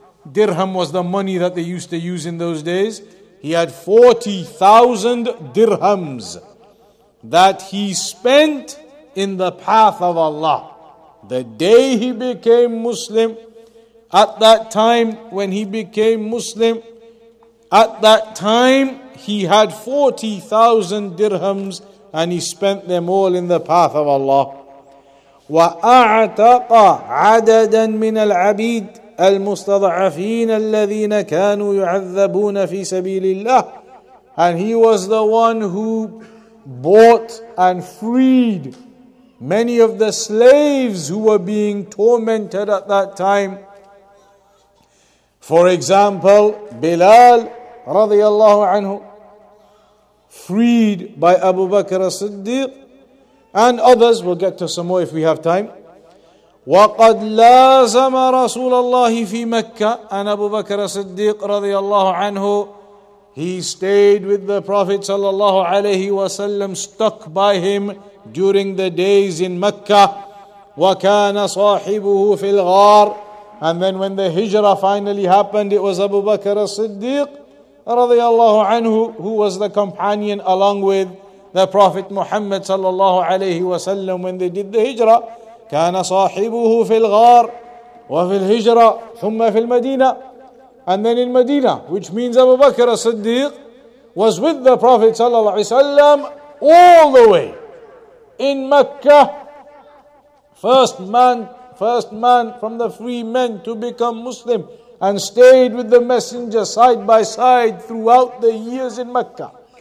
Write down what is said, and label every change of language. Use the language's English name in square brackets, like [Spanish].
[English] Dirham was the money that they used to use in those days. He had 40,000 dirhams that he spent in the path of Allah. The day he became Muslim, at that time when he became Muslim, at that time he had 40,000 dirhams and he spent them all in the path of Allah. [Arabic] وَأَعْتَقَ عَدَدًا مِنَ الْعَبِيدِ المستضعفين الذين كانوا يعذبون في سبيل الله. [English] And he was the one who bought and freed many of the slaves who were being tormented at that time. For example, Bilal رضي الله عنه, freed by Abu Bakr as-Siddiq, and others. We'll get to some more if we have time. [Arabic] وَقَدْ لَازَمَ رَسُولَ اللَّهِ فِي مَكَّةِ. [English] And Abu Bakr as-Siddiq رضي الله عنه, he stayed with the Prophet صلى الله عليه وسلم, stuck by him during the days in Mecca. [Arabic] وَكَانَ صَاحِبُهُ فِي الْغَارِ. [English] And then when the hijrah finally happened, it was Abu Bakr as-Siddiq رضي الله عنه who was the companion along with the Prophet Muhammad صلى الله عليه وسلم when they did the hijrah. [Arabic] كان صاحبه في الغار وفي الهجرة ثم في المدينة. [English] And then in Medina, which means Abu Bakr as-Siddiq was with the Prophet sallallahu alaihi wasallam all the way in Mecca. First man from the free men to become Muslim and stayed with the messenger side by side throughout the years in Mecca.